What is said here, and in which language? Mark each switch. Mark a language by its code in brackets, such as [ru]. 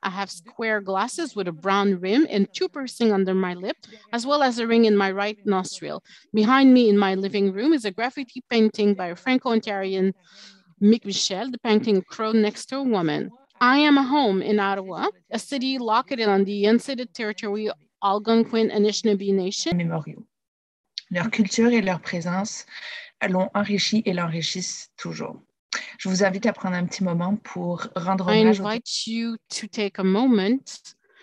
[en] I have square glasses with a brown rim and two piercings under my lip, as well as a ring in my right nostril. Behind me in my living room is a graffiti painting by a Franco-Ontarian Mick Michel, the painting Crow Next to a Woman. I am a home in Ottawa, a city located on the unceded territory Algonquin, Anishinaabe Nation. [fr] Mémoriaux. Leur culture et leur présence l'ont enrichi et l'enrichissent toujours. Je vous invite à prendre un petit moment pour rendre hommage. [en] I invite you to take a moment.